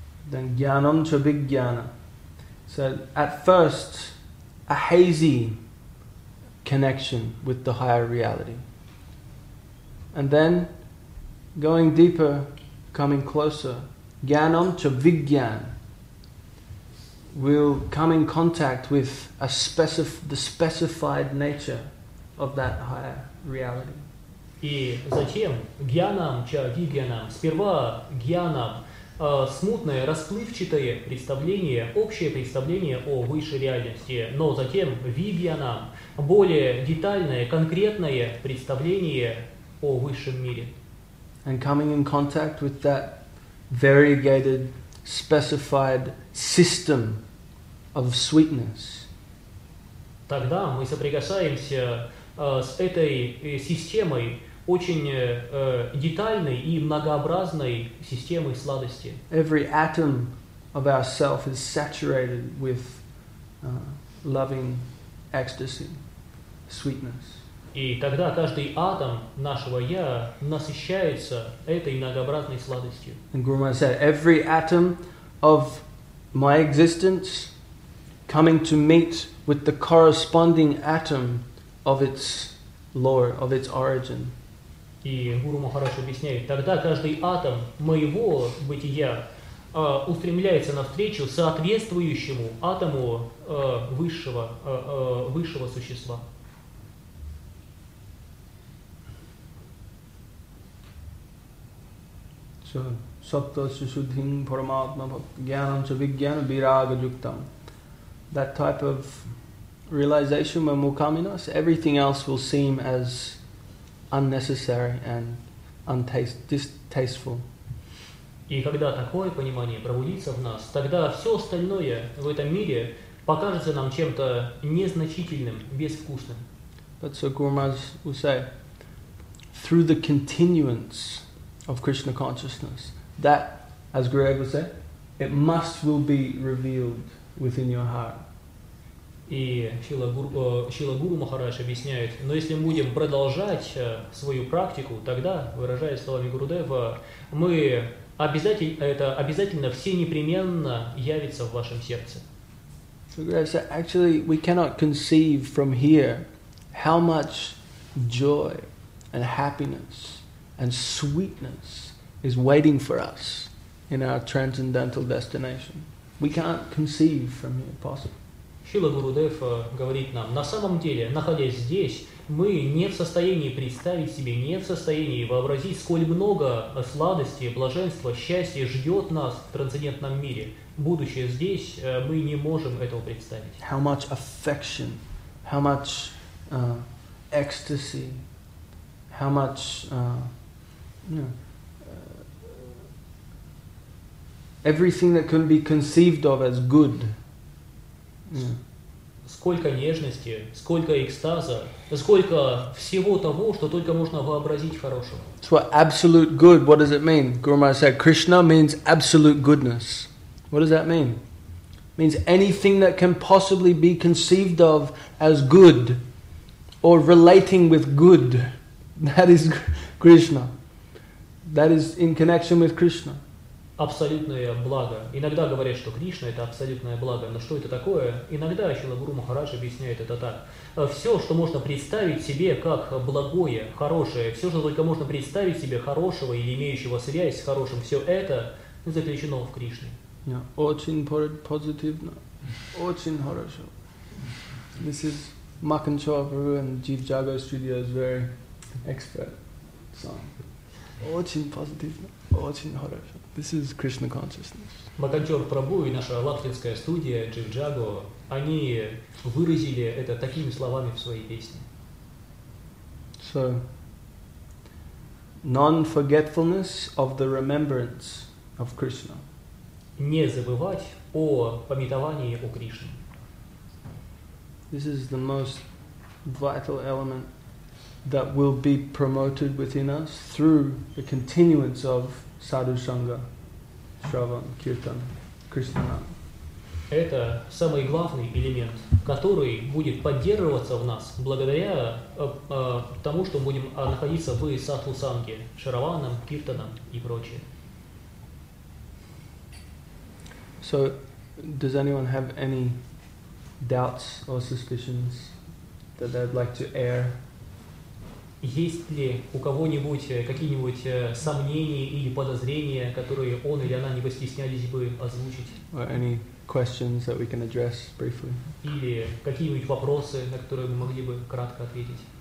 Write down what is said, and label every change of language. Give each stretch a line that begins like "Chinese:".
English: Then
Sanskrit: gyanam cha vijnanam.
English: So at first a hazy connection with the higher reality. And then going deeper, coming closer,
Sanskrit: gyanam cha vijnanam.
English: Will come in contact with the specified nature of that higher reality.
Russian: И затем
Sanskrit: гьянам ча вигьянам.
Russian: Сперва гьянам, смутное, расплывчатое представление, общее представление о высшей реальности. Но затем вигьянам, более детальное, конкретное представление о высшем мире.
English: And coming in contact with that variegated, specified system of sweetness.
Russian: Тогда мы соприкасаемся с этой системой, очень детальной и многообразной системой сладости.
English: Every atom of ourself is saturated with loving ecstasy, sweetness.
Russian: И тогда каждый атом нашего я насыщается этой многообразной сладостью.
English: And Guru Maharaj said, every atom of my existence coming to meet with the corresponding atom of its lore, of its origin.
Russian: И Гуру Махарадж объясняет, тогда каждый атом моего бытия устремляется навстречу соответствующему атому высшего существа.
Sanskrit: Sattva Sushuddhim Paramatma Gyanam Chavigyanam Viraga Yuktam.
English: That type of realization when we'll come in us, everything else will seem as unnecessary and distasteful.
Russian: И когда такое понимание пробудится в нас, тогда все остальное в этом мире покажется нам чем-то незначительным, безвкусным.
English: But so Guru Maharaj will say, through the continuance of Krishna consciousness, that, as Guru Maharaj said, it must will be revealed within your heart.
Russian: И Шрила Гуру Махарадж объясняет, но если мы будем продолжать свою практику, тогда, выражаясь словами Гурудева, мы обязательно, это обязательно все непременно явится в вашем сердце.
English: So Guru Maharaj said, actually, we cannot conceive from here how much joy and happiness and sweetness is waiting for us in our transcendental destination. We can't conceive from here possible.
Russian: Шрила Гурудев говорит нам, на самом деле, находясь здесь, мы не в состоянии представить себе, не в состоянии вообразить, сколь много сладости, блаженства, счастья ждет нас в трансцендентном мире. Будущее здесь, мы не можем этого представить.
English: How much affection, how much ecstasy, how much... everything that can be conceived of as good.
Russian: Сколько нежности, сколько экстаза, сколько всего того, что только можно вообразить хорошего.
English: So absolute good, what does it mean? Guru Maharaj said, Krishna means absolute goodness. What does that mean? It means anything that can possibly be conceived of as good or relating with good, that is Krishna. That is in connection with Krishna.
Russian: Абсолютное благо. Иногда говорят, что Кришна – это абсолютное благо. Но что это такое? Иногда Шрила Гуру Махарадж объясняет это так. Все, что можно представить себе как благое, хорошее, все, что только можно представить себе хорошего или имеющего связь с хорошим, все это заключено в Кришне. Yeah. Очень позитивно. Очень хорошо.
English: This is Makan Chowaprabhu and Jeev Jago Studio's very expert song.
Russian: Очень позитивно, очень хорошо.
English: This is Krishna consciousness.
Russian: Маканчор Прабу и наша латвийская студия Джив Джаго, они выразили это такими словами в своей песне.
English: So, non-forgetfulness of the remembrance of Krishna.
Russian: Не забывать о памятовании о Кришне.
English: This is the most vital element that will be promoted within us through the continuance of Sadhu Sangha, Shravan, Kirtan, Krishna.
Russian: Это самый главный элемент, который будет поддерживаться в нас благодаря тому, что мы будем находиться в Садху Санге, Шараванам, Киртанам и прочее.
English: So, does anyone have any doubts or suspicions that they'd like to air?
Russian: Есть ли у кого-нибудь какие-нибудь сомнения или подозрения, которые он или она не постеснялись бы озвучить?
English: Or any questions that we can address briefly?
Russian: Или какие-нибудь вопросы, на которые мы могли бы кратко ответить?